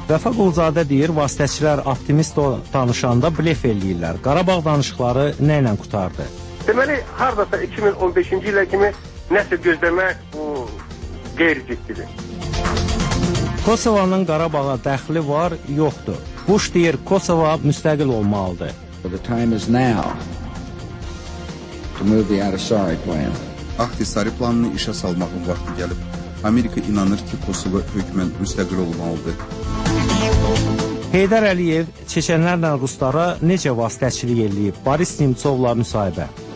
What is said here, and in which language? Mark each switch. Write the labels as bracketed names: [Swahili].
[Azerbaijani] Vəfa Qulzadə deyir, vasitəçilər optimist danışanda blef eləyirlər. Qarabağ danışıqları nə ilə qutardı? Deməli, haradasa 2015-ci ilə kimi nəsə gözləmək bu qeyri-ciddidir. Kosovanın Qarabağa dəxli var, yoxdur. Bush deyir, Kosova müstəqil olmalıdır. [English] The time is now to move the Ahtisaari plan. [Azerbaijani] Ahtisaari planını işə salmağın vaxtı gəlib. Amerika inanır ki, Kosova hökmən müstəqil olmalıdır. Heydər Əliyev Çeçənlərlə Ruslara necə vasitəçilik eləyib? Boris Nemtsovla müsahibə.